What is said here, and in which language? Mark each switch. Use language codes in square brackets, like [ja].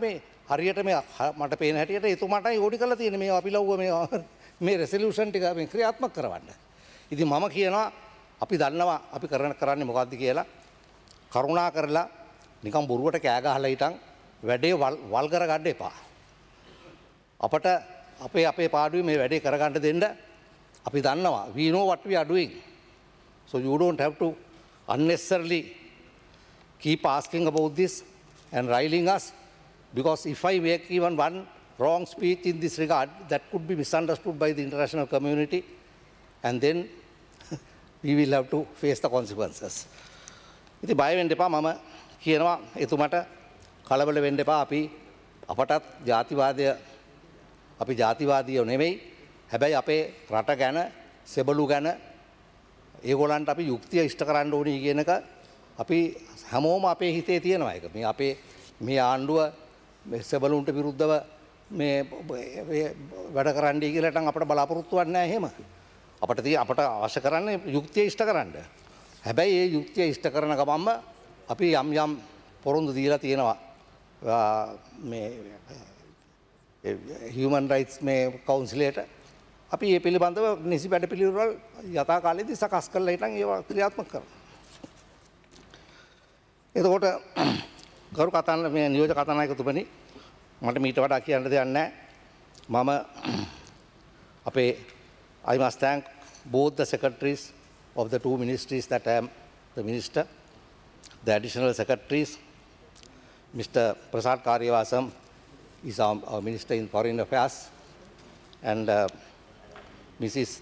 [si] මේ හරියට මේ මට පේන හැටියට එතුමාටයි ඕඩි කරලා තියෙන්නේ මේ අපිලව්ව මේ රෙසල්යූෂන් ටික මේ ක්‍රියාත්මක කරවන්න. ඉතින් මම කියනවා අපි දන්නවා අපි කරන්නේ මොකද්ද කියලා. කරුණා කරලා නිකන් බොරුවට කෑ ගහලා හිටන් වැඩේ වල් කරගන්න එපා. අපට අපේ පාඩුවේ මේ වැඩේ කරගන්න දෙන්න. අපි දන්නවා [en] We know what we අඩුවෙන්, so you don't have to unnecessarily keep asking about this and railing us, because if I make even one wrong speech in this regard, that could be misunderstood by the international community, and then we will have to face the consequences. [si] ඉතින් බය වෙන්න එපා. මම කියනවා එතුමට කලබල වෙන්න එපා. අපි අපටත් ජාතිවාදය, අපි ජාතිවාදීයෝ නෙමෙයි, හැබැයි අපේ රට ගැන සෙබළු ගැන ඒගොල්ලන්ට අපි යුක්තිය ඉෂ්ට කරන්න ඕනේ කියන එක අපි හැමෝම අපේ හිතේ තියෙනවා. එක මේ අපේ මේ ආණ්ඩුව සෙබළුන්ට විරුද්ධව මේ වැඩ කරන්නයි කියලා නම් අපට බලාපොරොත්තු වෙන්නේ නැහැ. එහෙම අපට තිය අපට අවශ්‍ය කරන්නේ යුක්තිය ඉෂ්ට කරන්න. හැබැයි ඒ යුක්තිය ඉෂ්ට කරන ගමන්ම අපි යම් යම් පොරොන්දු දීලා තියෙනවා මේ හියුමන් රයිට්ස් මේ කවුන්සිලයට. අපි ඒ පිළිබඳව නිසි වැඩ පිළිවෙල යථා කාලයේදී සකස් කරලා හිටන් ඒවා ක්‍රියාත්මක කරනවා. එතකොට ගරු කතාන මේ නියෝජ කතානායකතුමනි, මට මීට වඩා කියන්න දෙයක් නැහැ. මම අපේ [en] I must thank both the secretaries of the two ministries that I am the minister, the additional secretaries, Mr. Prasad Karyavasam is our minister in foreign affairs, and Mrs.